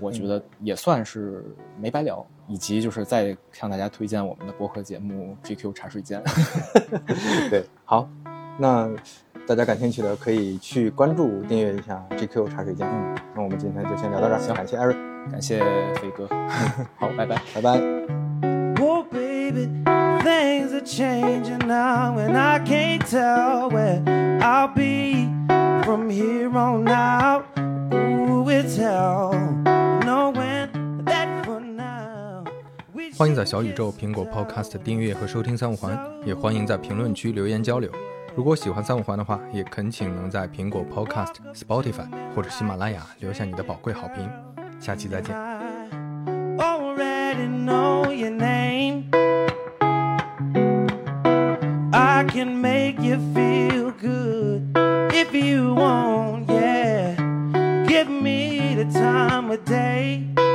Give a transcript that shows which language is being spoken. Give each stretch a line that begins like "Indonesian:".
Chinese: 我觉得也算是没白聊，以及就是再向大家推荐我们的播客节目 GQ 茶水间。对，好，那大家感兴趣的可以去关注订阅一下 GQ 茶水间。嗯，那我们今天就先聊到这儿，行，感谢艾瑞，感谢飞哥。好，拜拜，拜拜。
English: Oh baby, things are changing now, and I can't tell where I'll be from here on out. Ooh, it's hell, knowing that for now.
Chinese: 欢迎在小宇宙、苹果 Podcast 订阅和收听三五环，也欢迎在评论区留言交流。如果喜欢三五环的话，也恳请能在苹果 Podcast、Spotify 或者喜马拉雅留下你的宝贵好评。下期再见。
English: Know your name. I can make you feel good if you want. Yeah, give me the time of day.